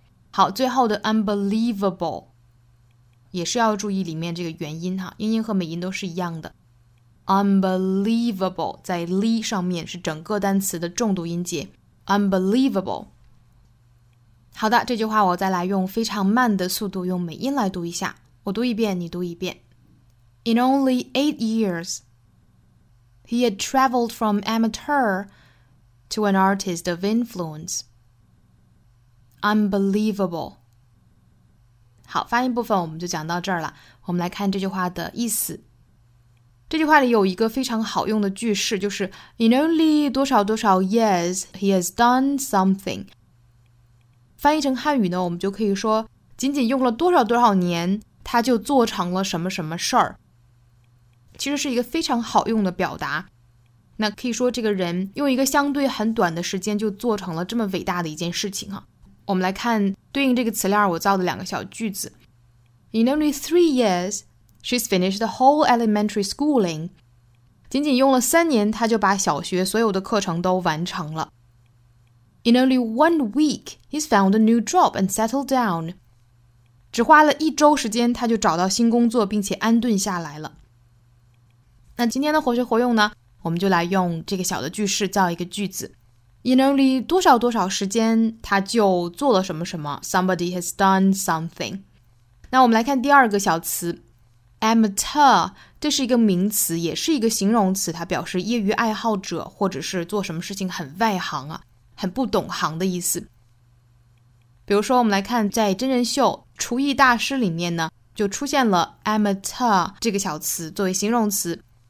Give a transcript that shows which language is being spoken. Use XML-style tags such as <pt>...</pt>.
<zh>好，最后的 unbelievable也是要注意里面这个元音哈，英音和美音都是一样的。 Unbelievable 在 li 上面是整个单词的重读音节。</zh> <en>Unbelievable。</en> <zh>好的，这句话我再来用非常慢的速度用美音来读一下。我读一遍，你读一遍。</zh> <en>In only 8 years, he had traveled from amateur to an artist of influence. Unbelievable.</en> <zh>好，发音部分我们就讲到这儿了。我们来看这句话的意思。这句话里有一个非常好用的句式，就是</zh> <en>In only</en> <zh>多少多少</zh> <en>years, he has done something.</en> <zh>翻译成汉语呢，我们就可以说仅仅用了多少多少年，他就做成了什么什么事儿。其实是一个非常好用的表达。那可以说这个人用一个相对很短的时间就做成了这么伟大的一件事情啊。我们来看对应这个词链我造的两个小句子。</zh> <en>In only 3 years, she's finished the whole elementary schooling.</en> <zh>仅仅用了3年，她就把小学所有的课程都完成了。</zh> <en>In only 1 week, he's found a new job and settled down.</en> <zh>只花了1周时间，她就找到新工作并且安顿下来了。那今天的活学活用呢，我们就来用这个小的句式造一个句子。</zh> <en>In only</en> <zh>多少多少时间，他就做了什么什么。</zh> <en>Somebody has done something.</en> <zh>那我们来看第二个小词 ，amateur， 这是一个名词，也是一个形容词，它表示业余爱好者或者是做什么事情很外行啊，很不懂行的意思。比如说，我们来看在真人秀《厨艺大师》里面呢，就出现了 amateur 这个小词作为形容词。</zh>